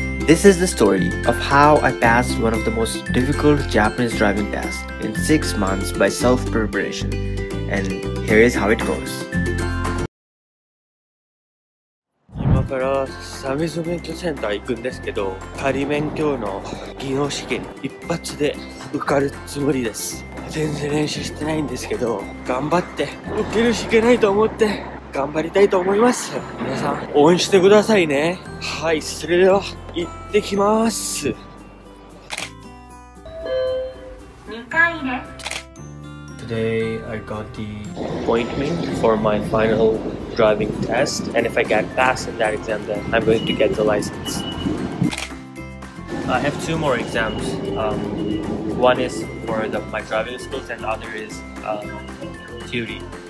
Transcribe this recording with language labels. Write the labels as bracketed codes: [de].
[en] This is the story of how I passed one of the most difficult Japanese driving tests in 6 months by self-preparation. And here is how it goes. [ja] から鮫洲免許センター行くんですけど、仮免許の技能試験一発で受かるつもりです。全然練習してないんですけど、頑張って受けるしかないと思って頑張りたいと思います。皆さん応援してくださいね。はい、それでは行ってきます。 [en] Today I got the appointment for my final driving test, and if I get passed in that exam, then I'm going to get the license. I have two more exams. One is for my driving skills, and the other is theory.